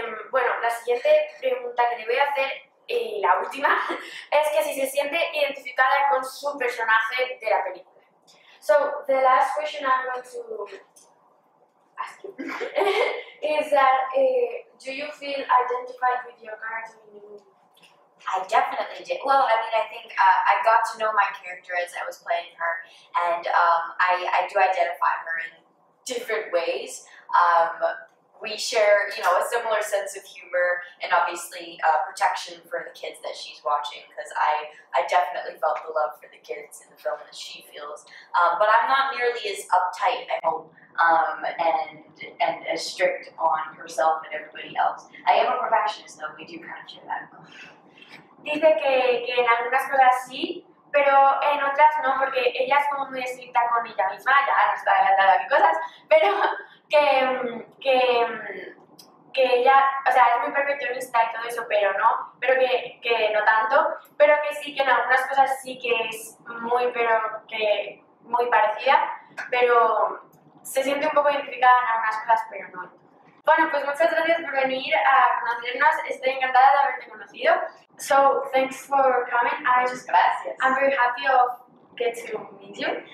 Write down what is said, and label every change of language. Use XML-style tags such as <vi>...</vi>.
<es>Bueno, la siguiente pregunta que le voy a hacer, y la última, es que si se siente identificada con su personaje de la película.</es> <en>So, the last question I'm going to ask you is that, do you feel identified with your character in the movie? I definitely did. Well, I mean, I think I got to know my character as I was playing her, and I do identify her in different ways. we share, you know, a similar sense of humor and obviously protection for the kids that she's watching, because I definitely felt the love for the kids in the film that she feels. But I'm not nearly as uptight, I hope, and as strict on herself and everybody else. I am a perfectionist, though. We do kind of share that.</en> <es>Dice que en algunas cosas sí, pero en otras no, porque ella es como muy estricta con ella misma, ya no está adelantada a qué cosas, pero que ella, o sea, es muy perfeccionista y todo eso, pero no, pero que no tanto, pero que sí, que en algunas cosas sí que es muy, pero que muy parecida, pero se siente un poco identificada en algunas cosas, pero no. Bueno, pues muchas gracias por venir a conocernos. Estoy encantada de haberte conocido.</es> <en>So, thanks for coming. I'm very happy of getting to meet you.</en>